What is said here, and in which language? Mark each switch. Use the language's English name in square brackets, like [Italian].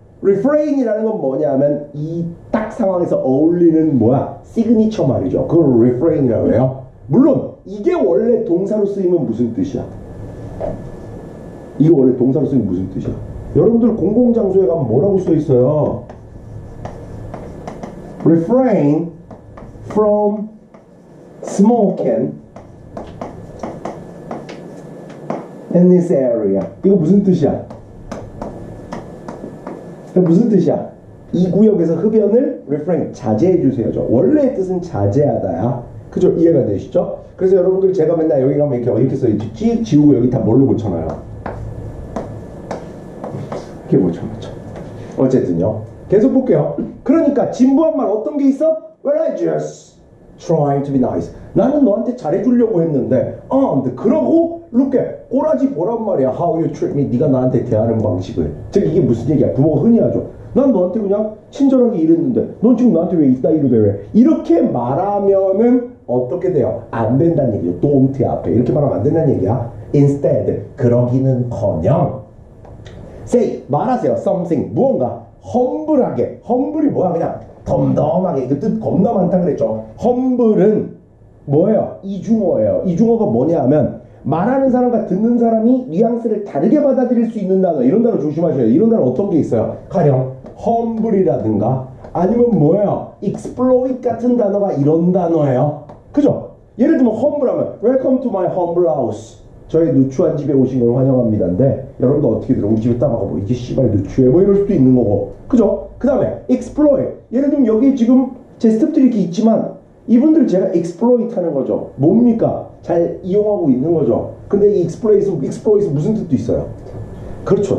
[Korean] Refrain이라는 건 뭐냐면 이딱 상황에서 어울리는 뭐야? 시그니처 말이죠. 그걸 Refrain이라고 해요. 물론 이게 원래 동사로 쓰이면 무슨 뜻이야? 이거 원래 동사로 쓰이면 무슨 뜻이야? 여러분들 공공장소에 가면 뭐라고 써 있어요? [English] Refrain from smoking in this area. [Korean] 이거 무슨 뜻이야? 무슨 뜻이야? 이 구역에서 흡연을 refrain 자제해 주세요죠. 원래의 뜻은 자제하다야. 그죠? 이해가 되시죠? 그래서 여러분들 제가 맨날 여기 가면 이렇게 써 있지. 지우고 여기 다 뭘로 고쳐놔요? 이렇게 고쳐놨죠. 어쨌든요. 계속 볼게요. 그러니까 진부한 말 어떤 게 있어? [English] Well, I just trying to be nice. [Korean] 나는 너한테 잘해주려고 했는데, 근데 그러고 look at 꼬라지 보란 말이야. [English] How you treat me? [Korean] 네가 나한테 대하는 방식을. 즉 이게 무슨 얘기야? 부모가 흔히 하죠. 난 너한테 그냥 친절하게 이랬는데, 넌 지금 나한테 왜 이따위로 대해? 이렇게 말하면은 어떻게 돼요? 안 된다는 얘기죠. Don't 앞에 이렇게 말하면 안 된다는 얘기야. Instead 그러기는커녕 say 말하세요. Something 무언가 humble하게. Humble이 뭐야? 그냥 덤덤하게. 이거 뜻 겁나 많다 그랬죠. Humble은 뭐예요? 이중어예요. 이중어가 뭐냐면 말하는 사람과 듣는 사람이 뉘앙스를 다르게 받아들일 수 있는 단어. 이런 단어 조심하셔야 돼요. 이런 단어 어떤 게 있어요? 가령 humble이라든가 아니면 뭐예요? exploit 같은 단어가 이런 단어예요. 그죠? 예를 들면 [English] humble 하면 welcome to my humble house. [Korean] 저의 누추한 집에 오신 걸 환영합니다인데 여러분도 어떻게 들어? 우리 집에 따라가 뭐 이게 씨발 누추해 뭐 이럴 수도 있는 거고. 그죠? 그다음에 exploit. 예를 들면 여기 지금 제 스태프들이 이렇게 있지만 이분들 제가 exploit 하는 거죠. 뭡니까? 잘 이용하고 있는 거죠. 근데 이 exploit은 무슨 뜻도 있어요. 그렇죠.